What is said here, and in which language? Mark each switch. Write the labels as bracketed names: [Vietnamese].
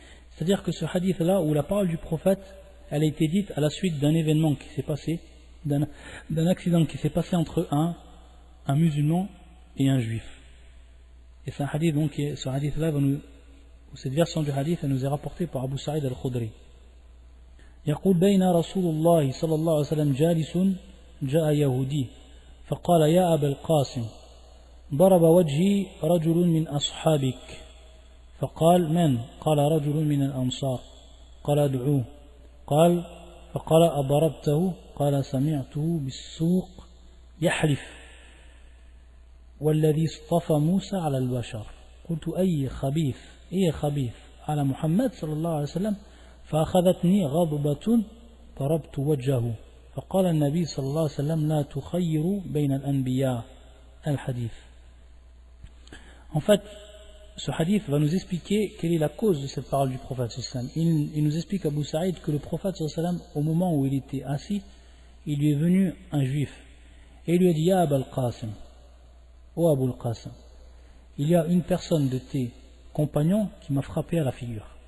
[French] C'est-à-dire que ce hadith là où la parole du prophète elle a été dite à la suite d'un événement qui s'est passé, d'un accident qui s'est passé entre un musulman et un juif. Et c'est un hadith, donc ce hadith là cette version du hadith elle nous est rapportée par Abu Sa'id al-Khudri. [Arabic] يقول بين رسول الله صلى الله عليه وسلم جالس جاء يهودي فقال يا أبا القاسم ضرب وجهي رجل من أصحابك فقال من؟ قال رجل من الأنصار قال ادعوه قال فقال أضربته؟ قال سمعته بالسوق يحلف والذي اصطفى موسى على البشر قلت أي خبيث على محمد صلى الله عليه وسلم فأخذتني غضبة ضربت وجهه فقال النبي صلى الله عليه وسلم لا تخير بين الأنبياء الحديث. [French] En fait, ce hadith va nous expliquer quelle est la cause de cette parole du prophète sallam. Il nous explique à Abu Sa'id que le prophète sallam, au moment où il était assis, il lui est venu un juif et il lui a dit: [Arabic] Ya Abu al-Qasim, [French] ô Abu al-Qasim, il y a une personne de tes compagnons qui m'a frappé à la figure.